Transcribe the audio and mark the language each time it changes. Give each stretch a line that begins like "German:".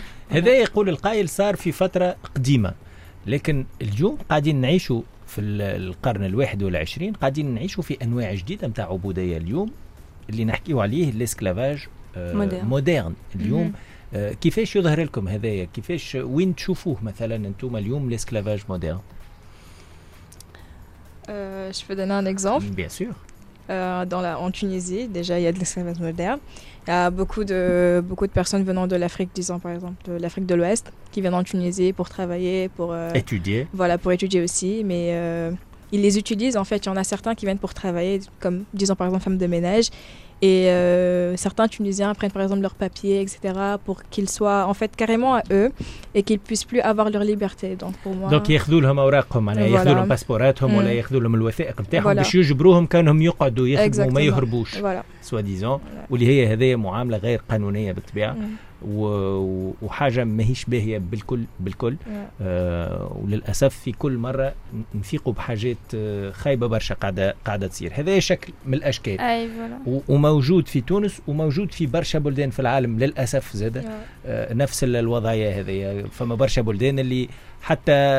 Arabic: هذا يقول القائل صار في فتره قديمه لكن اليوم قاعدين نعيشوا في القرن الواحد والعشرين قاعدين نعيشوا في انواع جديده نتاع عبوديه اليوم اللي نحكيو عليه الاسكلافاج مودرن اليوم كيفاش يظهر لكم هذايا كيفاش وين تشوفوه مثلا انتم اليوم الاسكلافاج مودرن
French: je peux donner un exemple bien sûr dans la en Tunisie déjà il y a de l'esclavage moderne il y a beaucoup de personnes venant de l'Afrique disons par exemple de l'Afrique de l'Ouest qui viennent en Tunisie pour travailler pour étudier voilà pour étudier aussi mais ils les utilisent en fait il y en a certains qui viennent pour travailler comme disons par exemple femmes de ménage et certains Tunisiens prennent par exemple leurs papiers etc pour qu'ils soient en fait carrément à eux et qu'ils puissent plus avoir leur liberté donc pour moi donc ils prennent leurs
Arabic: papiers ils prennent leurs passeports ou ils prennent leurs وثائق نتاعهم باش يجبروهم كانهم يقعدوا يخدموا وما يهربوش سوا ديزون واللي هي هذه معامله غير قانونيه بالطبيعه وحاجه ماهيش باهيه بالكل وللاسف في كل مره نفيقوا بحاجات خايبه برشا قاعده تصير هذا شكل من الاشكال وموجود في تونس وموجود في برشا بلدان في العالم للاسف زاده نفس الوضعيه هذه فما برشا بلدان اللي حتى